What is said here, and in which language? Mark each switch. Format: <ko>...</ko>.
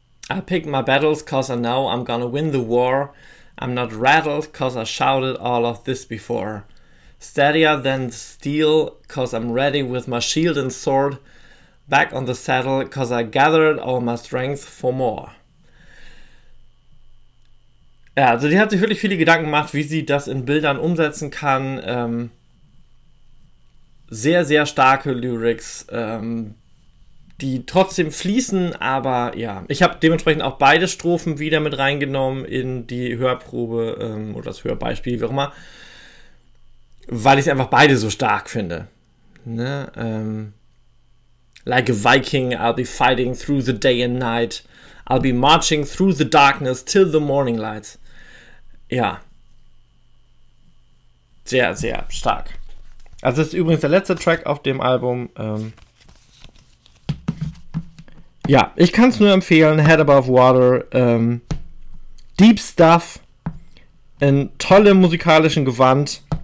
<en>I pick my battles cause I know I'm gonna win the war. I'm not rattled cause I shouted all of this before. Steadier than steel cause I'm ready with my shield and sword. Back on the saddle cause I gathered all my strength for more.</en> <de>Ja, also die hat sich wirklich viele Gedanken gemacht, wie sie das in Bildern umsetzen kann. Sehr, sehr starke Lyrics, die trotzdem fließen, aber ja. Ich habe dementsprechend auch beide Strophen wieder mit reingenommen in die Hörprobe oder das Hörbeispiel, wie auch immer. Weil ich es einfach beide so stark finde. ne?</de> <en>Like a Viking, I'll be fighting through the day and night. I'll be marching through the darkness till the morning light.</en> <de>Ja. Sehr, sehr stark. Also das ist übrigens der letzte Track auf dem Album. Ja, ich kann es nur empfehlen. Head Above Water.</de> <en>Deep Stuff.</en> <de>In tollem musikalischem Gewand.</de>